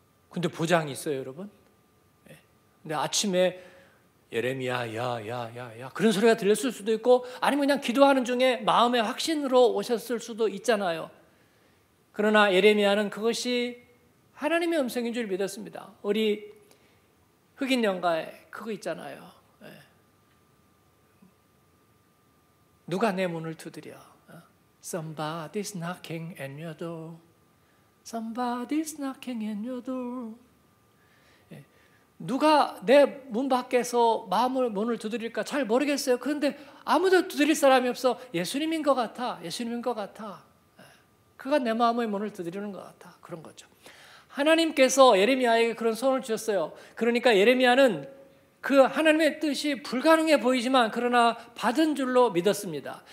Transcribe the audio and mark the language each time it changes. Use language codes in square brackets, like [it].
[ko] 근데 보장이 있어요, 여러분? 근데 아침에 예레미야 야야야야 그런 소리가 들렸을 수도 있고 아니면 그냥 기도하는 중에 마음의 확신으로 오셨을 수도 있잖아요. 그러나 예레미야는 그것이 하나님의 음성인 줄 믿었습니다. 우리 흑인 연가에 그거 있잖아요. 누가 내 문을 두드려? [en] Somebody's knocking at your door. Somebody's knocking at your door. [ko] 누가 내 문 밖에서 문을 두드릴까 잘 모르겠어요. 그런데 아무도 두드릴 사람이 없어. 예수님인 것 같아. 예수님인 것 같아. 그가 내 마음의 문을 두드리는 것 같아. 그런 거죠. 하나님께서 예레미야에게 그런 소원을 주셨어요. 그러니까 예레미야는 그 하나님의 뜻이 불가능해 보이지만 그러나 받은 줄로 믿었습니다.